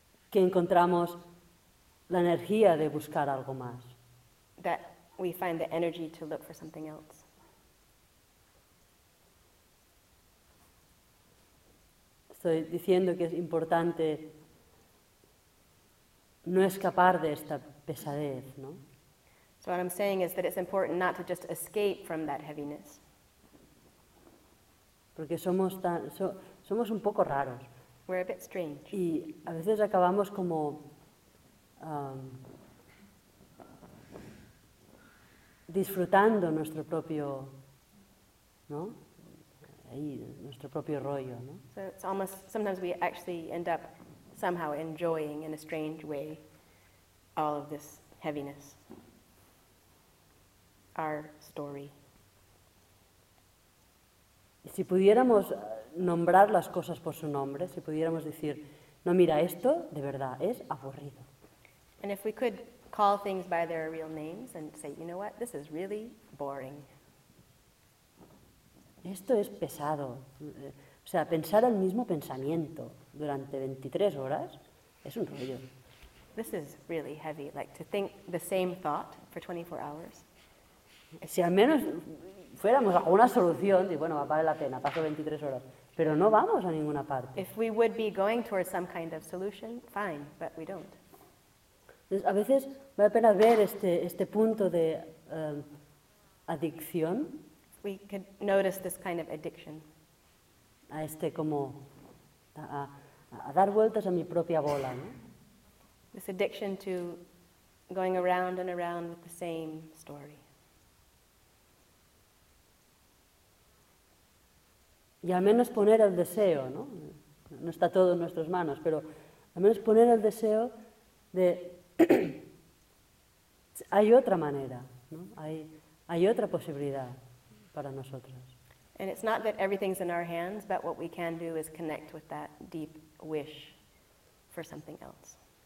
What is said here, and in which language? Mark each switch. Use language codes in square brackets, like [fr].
[es] que encontramos la energía de buscar algo más. [en] That we find the energy to look for something else. [es] Estoy diciendo que es importante no escapar de esta pesadez, ¿no? [en] So what I'm saying is that it's important not to just escape from that heaviness. [es] Porque somos somos un poco raros. [en] We're a bit strange. [es] Y a veces acabamos como disfrutando nuestro propio, ¿no? Ahí, nuestro propio rollo, ¿no? [en] So it's almost sometimes we actually end up somehow enjoying in a strange way all of this heaviness, our story. [es] Y si pudiéramos nombrar las cosas por su nombre, si pudiéramos decir, no, mira, esto de verdad es aburrido. [en] And if we could call things by their real names and say, you know what, this is really boring. [es] Esto es pesado. O sea, pensar el mismo pensamiento durante 23 horas es un rollo. [en] This is really heavy, like to think the same thought for 24 hours. [es] Si al menos fuéramos a una solución, y bueno, vale la pena, paso 23 horas, pero no vamos a ninguna parte. [en] If we would be going towards some kind of solution, fine, but we don't. [es] Entonces, a veces vale la pena ver este punto de adicción. [en] We could notice this kind of addiction. [es] A este como a dar vueltas a mi propia bola, ¿no? [en] This addiction to going around and around with the same story. [es] Y al menos poner el deseo, ¿no? No está todo en nuestras manos, pero al menos poner el deseo de hay otra manera, ¿no? Hay otra posibilidad para nosotros. [en] And it's not that everything's in our hands, but what we can do is connect with that deep wish for something else.